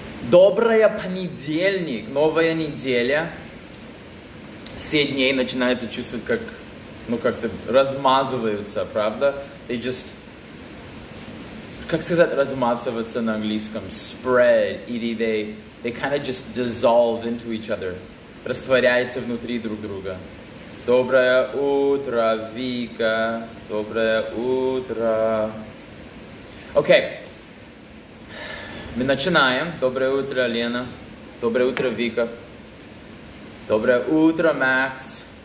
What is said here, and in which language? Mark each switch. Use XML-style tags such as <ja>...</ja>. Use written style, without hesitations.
<ru>Доброе понедельник, новая неделя. 7 дней начинается чувствовать, как, ну, как-то размазываются, правда?</ru> <en>They just,</en> <ru>как сказать, размазываться на английском?</ru> <en>Spread, или they kind of just dissolve into each other.</en> <ru>Растворяются внутри друг друга. Доброе утро, Вика. Доброе утро. Okay. Мы начинаем. Доброе утро, Лена. Доброе утро, Вика. Доброе утро, Макс.</ru>